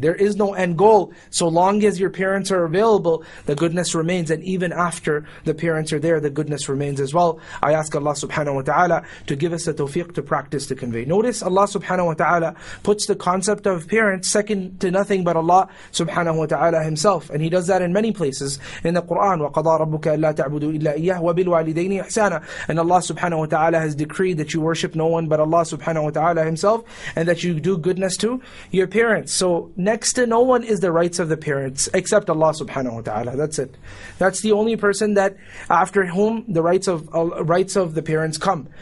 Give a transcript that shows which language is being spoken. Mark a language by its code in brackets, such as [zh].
[en] There is no end goal. So long as your parents are available, the goodness remains. And even after the parents are there, the goodness remains as well. I ask Allah subhanahu wa ta'ala to give us the tawfiq to practice to convey. Notice Allah subhanahu wa ta'ala puts the concept of parents second to nothing but Allah subhanahu wa ta'ala Himself. And He does that in many places. In the Quran, [ar] وَقَضَى رَبُّكَ أَلَّا تَعْبُدُوا إِلَّا إِيَّهُ وَبِالْوَالِدَيْنِ إِحْسَانًا. [en] And Allah subhanahu wa ta'ala has decreed that you worship no one but Allah subhanahu wa ta'ala Himself, and that you do goodness to your parents. So next to no one is the rights of the parents, except Allah subhanahu wa ta'ala. That's it. That's the only person that after whom the rights of the parents come.